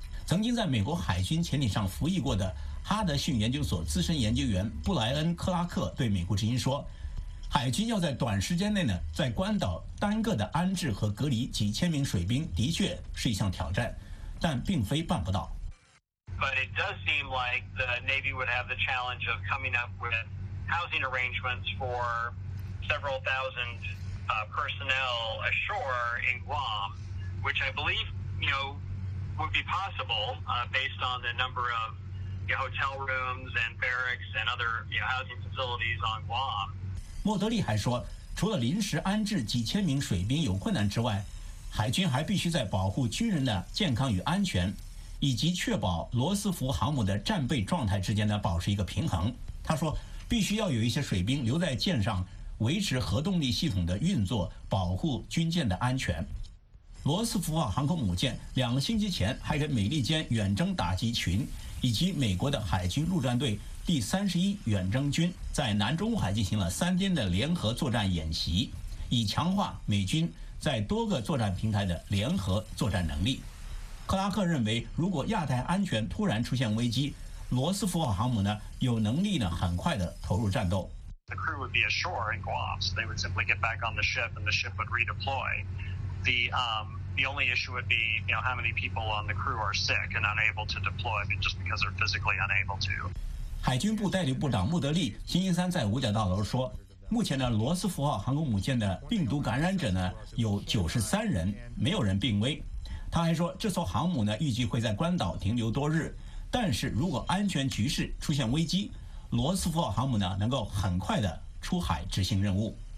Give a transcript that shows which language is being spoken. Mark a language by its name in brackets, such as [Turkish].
[Chinese] 曾经在美国海军潜艇上服役过的哈德逊研究所资深研究员布莱恩·克拉克对美国之音说，海军要在短时间内呢，在关岛单个的安置和隔离几千名水兵的确是一项挑战，但并非办不到。 [English] But it does seem like the Navy would have the challenge of coming up with housing arrangements for several thousand personnel ashore in Guam, which I believe, you know, would be possible based on the number of hotel rooms and barracks and other housing facilities on Guam. [Chinese] 莫德利还说，除了临时安置几千名水兵有困难之外，海军还必须在保护军人的健康与安全以及确保罗斯福航母的战备状态之间呢，保持一个平衡。他说，必须要有一些水兵留在舰上，维持核动力系统的运作，保护军舰的安全。罗斯福号航空母舰两个星期前还给美利坚远征打击群以及美国的海军陆战队第31远征军在南中国海进行了3天的联合作战演习，以强化美军在多个作战平台的联合作战能力。克拉克认为，如果亚太安全突然出现危机，罗斯福号航母呢有能力呢很快的投入战斗。 [English] The crew would be ashore in Guam, so they would simply get back on the ship and the ship would redeploy. The only issue would be, how many people on the crew are sick and unable to deploy just because they're physically unable to. [Chinese] 海军部代理部长穆德利星期三在五角大楼说，目前呢，罗斯福号航空母舰的病毒感染者呢有93人，没有人病危。他还说，这艘航母呢预计会在关岛停留多日，但是如果安全局势出现危机，罗斯福号航母呢能够很快的出海执行任务。